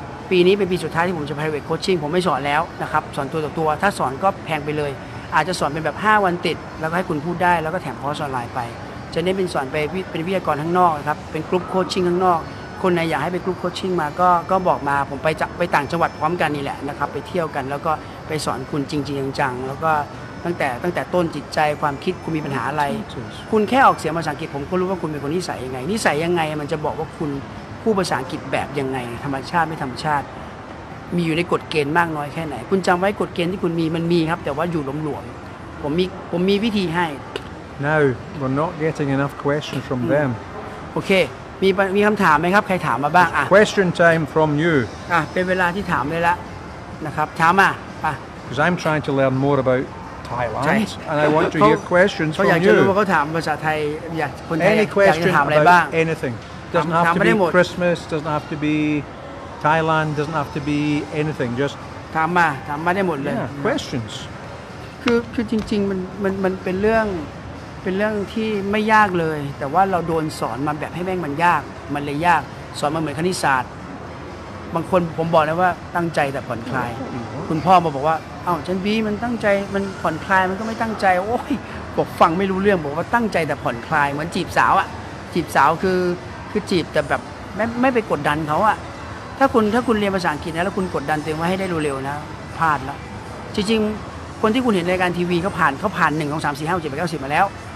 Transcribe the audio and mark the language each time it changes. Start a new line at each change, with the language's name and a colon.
Thai: ปีนี้เป็นปีสุดท้ายที่ผมจะ private coaching ผมไม่สอนแล้วนะครับสอนตัวต่อตัวถ้าสอนก็แพงไปเลยอาจจะสอนเป็นแบบ5วันติดแล้วก็ให้คุณพูดได้แล้วก็แถมคอร์สออนไลน์ไปจะได้เป็นสอนไปเป็นวิทยากรข้างนอกนะครับเป็นกรุ๊ป coaching ข้างนอกคนไหนอยากให้ไปกรุ๊ปโคชชิ่งมาก็บอกมาผมไปต่างจังหวัดพร้อมกันนี่แหละนะครับไปเที่ยวกันแล้วก็ไปสอนคุณจริงๆจังๆแล้วก็ตั้งแต่ต้นจิตใจความคิดคุณมีปัญหาอะไร คุณแค่ออกเสียงภาษาอังกฤษผมก็รู้ว่าคุณเป็นคนนิสัยยังไงนิสัยยังไงมันจะบอกว่าคุณพูดภาษาอังกฤษแบบยังไงธรรมชาติไม่ธรรมชาติมีอยู่ในกฎเกณฑ์มากน้อยแค่ไหนคุณจำไว้กฎเกณฑ์ที่คุณมีมันมีครับแต่ว่าอยู่หลวมๆผมมีวิธีให้
English: Now we're not getting enough questions from them
Thai: โอเคมีคำถามไหมครับใครถามมาบ้างอ่ะ
English: Question time from you
Thai: อ่ะเป็นเวลาที่ถามเลยละนะครับถามมาป่ะ
English: Because I'm trying to learn more about Thailand and I want to hear questions from you
Thai: เขาอยากจะรู้ว่าเขาถามภาษาไทยอยากคนไทยอยากจะถามอะไรบ้าง
English: Anything doesn't have to be Christmas doesn't have to be Thailand doesn't have to be anything just
Thai: ถามมาได้หมดเลย
English: Questions
Thai: คือจริงๆมันเป็นเรื่องที่ไม่ยากเลยแต่ว่าเราโดนสอนมาแบบให้แม่งมันยากมันเลยยาก สอนมาเหมือนคณิตศาสตร์บางคนผมบอกเลยว่าตั้งใจแต่ผ่อนคลายคุณพ่อมาบอกว่าอ้าวฉันบีมันตั้งใจมันผ่อนคลายมันก็ไม่ตั้งใจโอ้ยบอกฟังไม่รู้เรื่องบอกว่าตั้งใจแต่ผ่อนคลายเหมือนจีบสาวอะจีบสาวคือจีบแต่แบบไม่ไปกดดันเขาอะถ้าคุณเรียนภาษาอังกฤษนะแล้วคุณกดดันตัวเองว่าให้ได้เร็วๆนะพลาดแล้วจริงๆคนที่คุณเห็นในการทีวีเขาผ่าน1 2 3 4 5 6 7 8 9 10มาแล้ว